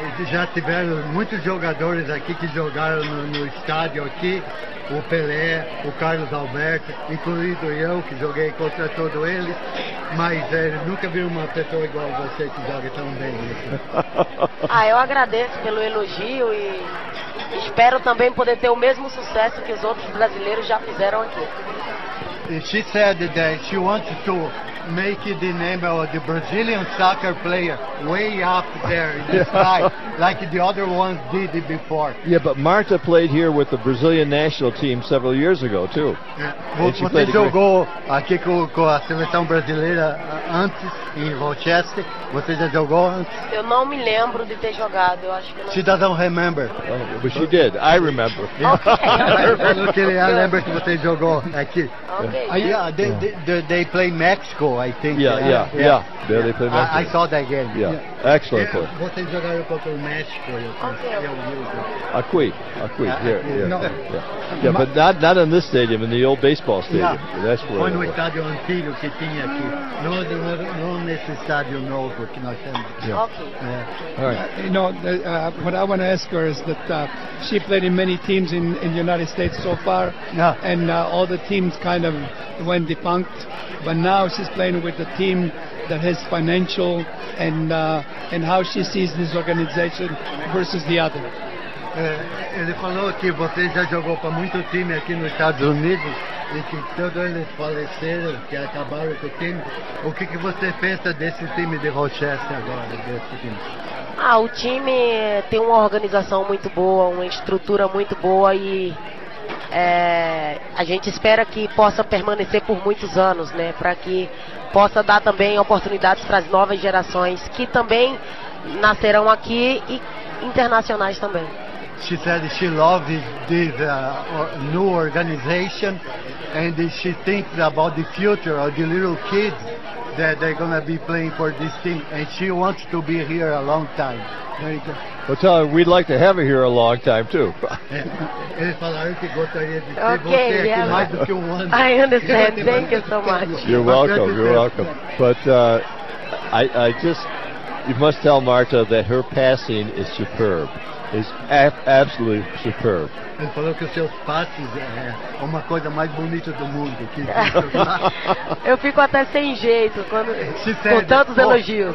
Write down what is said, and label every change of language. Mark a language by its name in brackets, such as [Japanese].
[Portuguese] Já tiveram muitos jogadores aqui que jogaram no estádio aqui, o Pelé, o Carlos Alberto, incluindo eu, que joguei contra todos eles, mas nunca vi uma pessoa igual a você que joga tão bem. Ah, eu agradeço pelo elogio e espero também poder ter o mesmo sucesso que os outros brasileiros já fizeram aqui. [English] She said that she wants to make the name of the Brazilian soccer player way up there in the sky, like the other ones did before. Yeah, but Marta played here with the Brazilian national team several years ago, too. Yeah. [Portuguese] Você jogou aqui com a seleção brasileira antes, em Rochester? Você já jogou antes? Eu não me lembro de ter jogado. Eu acho que não. [English] She doesn't remember. Oh, but she did. I remember. Okay. I remember [Portuguese] que você jogou aqui. [English] Okay. They play Mexico, I think. Yeah. They play Mexico. I saw that game. Yeah. Excellent play. [Portuguese] Vocês jogaram contra o México. Aqui. [English] Here. Yeah, but not in this stadium, in the old baseball stadium. Yeah. That's where. [Portuguese] Foi no estádio antigo que tinha aqui. Não nesse estádio novo que nós temos. [English] Okay. All right. You know, what I want to ask her is that she played in many teams in the United States so far. Yeah. And all the teams kind of went defunct, but now she's playing with a team that has financial and how she sees this organization versus the other. [Portuguese] Ele falou que você já jogou para muito time aqui nos Estados Unidos e que todos eles faleceram, que acabaram com o time. O que você pensa desse time de Rochester agora, desse time? Ah, o time tem uma organização muito boa, uma estrutura muito boa e a gente espera que possa permanecer por muitos anos, né, para que possa dar também oportunidades para as novas gerações que também nascerão aqui e internacionais também. [English] She said she loves this new organization and she thinks about the future of the little kids that they're going to be playing for this team, and she wants to be here a long time. Very good. Well, tell her we'd like to have her here a long time, too. Okay, I understand. Thank you so much. You're welcome. But I just, you must tell Marta that her passing is superb. It's absolutely superb. [Portuguese] Ele falou que os seus passes é uma coisa mais bonita do mundo. Que... Eu fico até sem jeito quando, com tantos elogios.